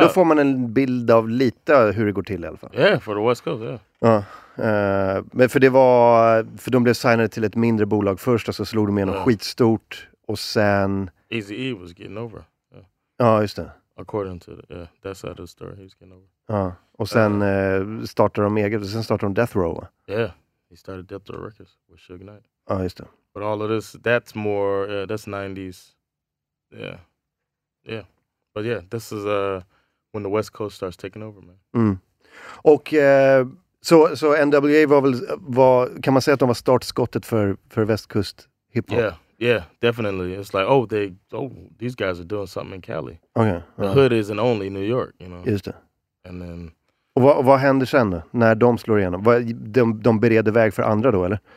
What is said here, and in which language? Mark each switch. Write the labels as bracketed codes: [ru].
[sv] då får man en bild av lite hur det går till i alla fall. [en] Yeah, for the West Coast, yeah. [sv] Men för det var, för de blev signade till ett mindre bolag först, och så slog de igenom skitstort. Och sen [en] Eazy-E was getting over. [sv] Ja, yeah. Just det. [en] According to that side of the story, he was getting over. [sv] Ja, och sen startade de eget, och sen startade de Death Row. [en] Yeah, he started Death Row Records with Suge Knight. [sv] Ja, just det. [en] But all of this, that's more, that's 90s. Yeah. Yeah. But yeah, this is when the West Coast starts taking over, man. Mm. [sv] Och så NWA var väl, kan man säga att de var startskottet för västkust hiphop? [en] Yeah. Yeah, definitely. It's like, oh, they, oh, these guys are doing something in Cali. Okay. The hood isn't only New York, you know. [sv] Just det. [en] And then. [sv] Och vad händer sen då, när de slår igenom? De bereder väg för andra då, eller?